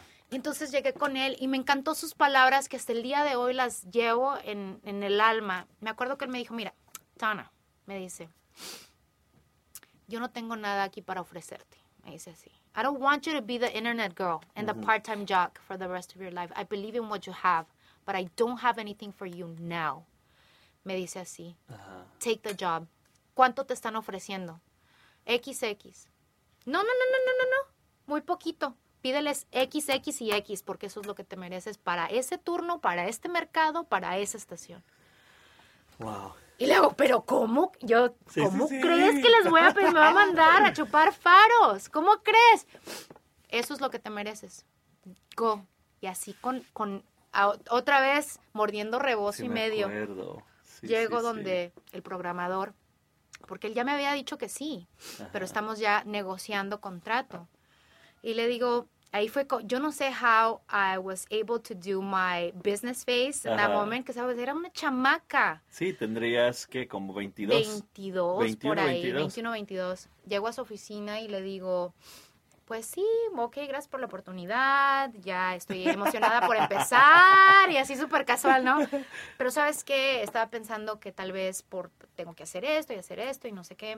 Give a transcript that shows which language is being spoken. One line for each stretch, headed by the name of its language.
Spanish: Entonces llegué con él, y me encantó sus palabras, que hasta el día de hoy las llevo en el alma. Me acuerdo que él me dijo, mira, Tana, me dice, yo no tengo nada aquí para ofrecerte. Me dice así.
English: I don't want you to be the internet girl and the part-time jock for the rest of your life. I believe in what you have, but I don't have anything for you now.
Spanish: Me dice así.
English: Take the job.
Spanish: ¿Cuánto te están ofreciendo? XX. No. Muy poquito. Pídeles XX y X porque eso es lo que te mereces para ese turno, para este mercado, para esa estación. Wow. Y le digo, ¿pero cómo? Yo, sí, ¿cómo sí, crees sí. que les voy a pedir? Me va a mandar a chupar faros. ¿Cómo crees? Eso es lo que te mereces.
English: Go.
Spanish: Y así otra vez mordiendo rebozo sí, y medio. Me acuerdo. El programador, porque él ya me había dicho que sí, pero estamos ya negociando contrato. Y le digo, ahí fue, yo no sé
English: how I was able to do my business phase in that moment, because I was,
Spanish: era una chamaca. Sí, tendrías, ¿qué? Como 22. 21, 22. Llego a su oficina y le digo, pues sí, ok, gracias por la oportunidad, ya estoy emocionada por empezar, y así súper casual, ¿no? Pero ¿sabes qué? Estaba pensando que tal vez tengo que hacer esto y hacer esto y no sé qué.